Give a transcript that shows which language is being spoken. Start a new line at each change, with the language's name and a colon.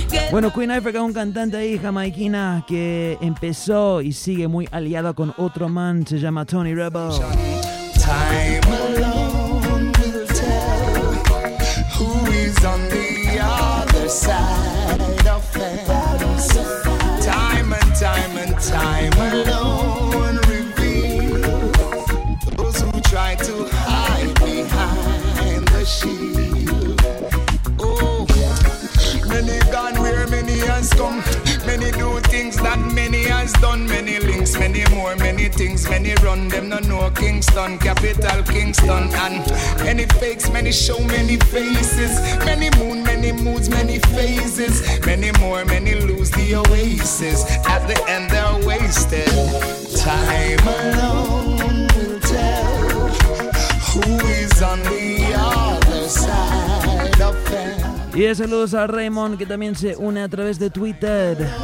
Spanish: Bueno, Queen Africa es un cantante ahí, jamaiquina, que empezó y sigue muy aliado con otro man, se llama Tony Rebel.
English: Time alone will tell who is on the other side of things. Time alone reveals those who try to hide behind the shield. Many gone where many has come. Many do things that many has done. Many links, many more, many things. Many run, them no know Kingston. Capital Kingston. And many fakes, many show, many faces. Many moon, many moods, many phases. Many more, many lose the oasis. At the end they're wasted. Time alone will tell who is on the other side of fame.
Spanish: Y saludos a Raymond, que también se une a través de Twitter.